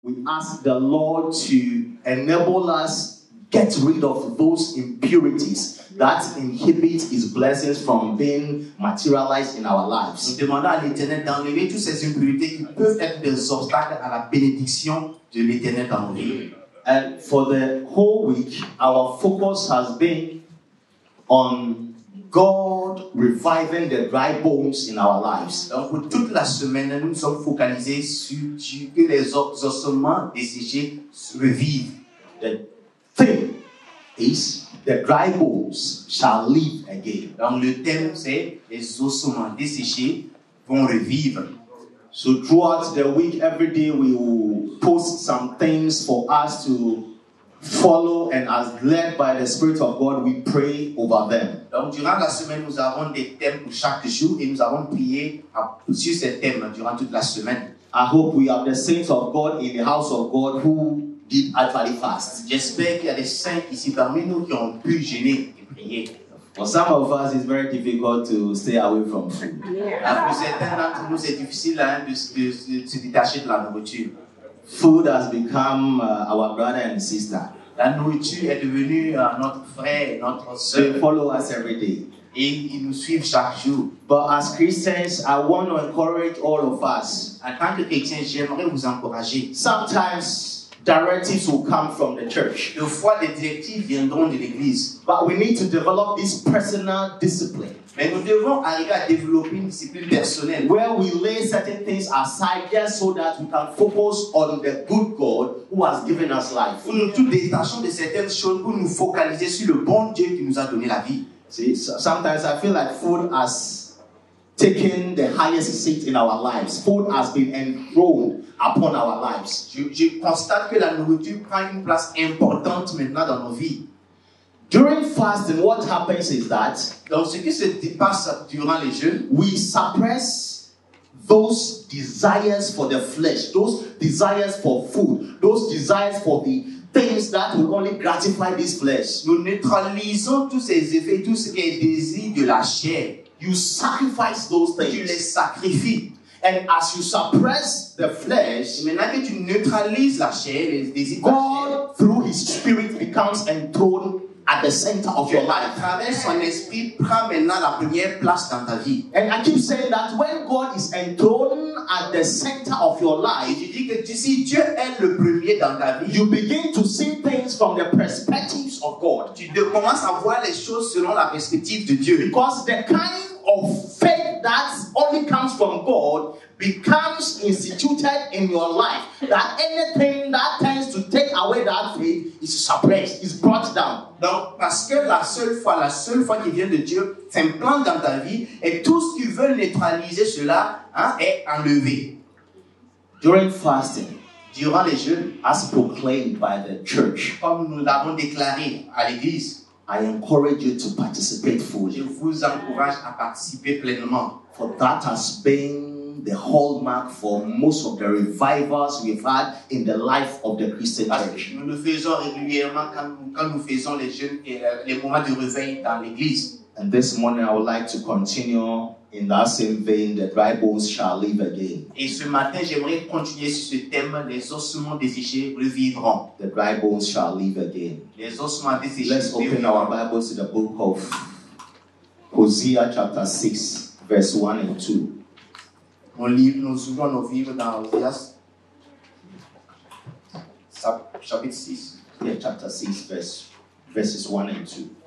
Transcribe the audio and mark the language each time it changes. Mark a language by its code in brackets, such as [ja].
[en] we ask the Lord to enable us get rid of those impurities that inhibit His blessings from being materialized in our lives. [fr] Nous demandons à l'Éternel d'enlever toutes ces impurités qui peuvent être des obstacles à la bénédiction de l'Éternel dans nos vies. [en] And for the whole week, our focus has been on God reviving the dry bones in our lives. [fr] Donc, toute la semaine, nous sommes focalisés sur Dieu que les ossements desséchés revivent. [en] The thing is, the dry bones shall live again. [fr] Donc, le thème, c'est les ossements desséchés vont revivre. [en] So throughout the week, every day, we will post some things for us to follow, and as led by the Spirit of God, we pray over them. [fr] Donc, durant la semaine, nous avons des thèmes pour chaque jour, et nous avons prié sur ces thèmes durant toute la semaine. [en] I hope we have the saints of God in the house of God who did actually fast. [fr] J'espère qu'il y a des saints ici parmi nous qui ont pu jeûner et prier. [en] For some of us, it's very difficult to stay away from food. [fr] Pour certains d'entre nous, c'est difficile de se détacher de la nourriture. [en] Food has become our brother and sister. [fr] La nourriture est devenue notre frère, notre sœur. [en] They follow us every day. [fr] Et ils nous suivent chaque jour. [en] But as Christians, I want to encourage all of us. [fr] En tant que chrétien, j'aimerais vous encourager. [en] Sometimes directives will come from the church. [fr] De fois, les directives viendront de l'église. [en] But we need to develop this personal discipline. [fr] Mais nous devons arriver à développer une discipline personnelle. [en] Where we lay certain things aside just so that we can focus on the good God who has given us life. [fr] Où nous tout détachons de certaines choses pour nous focaliser sur le bon Dieu qui nous a donné la vie. [en] See, sometimes I feel like food has taken the highest seat in our lives. Food has been enthroned upon our lives. [fr] Je constate que la nourriture prend une place importante maintenant dans nos vies. [en] During fasting, what happens is that, [fr] donc ce qui se passe durant les jeûnes, [en] we suppress those desires for the flesh, those desires for food, those desires for the things that will only gratify this flesh. [fr] Nous neutralisons tous ces effets, tout ce qui est désir de la chair. [en] You sacrifice those things. [fr] Tu les sacrifies. [en] And as you suppress the flesh, [fr] maintenant que tu neutralises la chair, les désirs [en] God, [fr] de la chair, [en] through His Spirit, becomes enthroned at the center of your life. [fr] À travers son esprit, prend maintenant la première place dans ta vie. [en] And I keep saying that when God is enthroned at the center of your life, [fr] tu dis que tu sais, Dieu est le premier dans ta vie. [en] You begin to see things from the perspectives of God. [fr] Tu commences à voir les choses selon la perspective de Dieu. [en] Because the kind of faith that only comes from God becomes instituted in your life. That anything that tends to take away that faith is suppressed, is brought down. [fr] Donc, parce que la seule foi qui vient de Dieu s'implante dans ta vie et tout ce qui veut neutraliser cela est enlevé. [en] During fasting, [fr] durant les jeûnes, [en] as proclaimed by the church, [fr] comme nous l'avons déclaré à l'église, [en] I encourage you to participate fully. [fr] Je vous encourage à participer pleinement. [en] For that has been the hallmark for most of the revivals we've had in the life of the Christian church. [fr] Nous le faisons régulièrement quand nous faisons les jeûnes et les moments de réveil dans l'église. [en] And this morning I would like to continue in that same vein, the dry bones shall live again. [fr] Et ce matin, j'aimerais continuer sur ce thème, les ossements desséchés revivront. [en] The dry bones shall live again. [fr] Les ossements desséchés. [en] Let's open our Bibles to the book of Hosea chapter 6, verse 1 and 2. [fr] Nous ouvrons nos livres dans Hosea, chapitre 6. [en] Yeah, chapter 6, verses 1 and 2.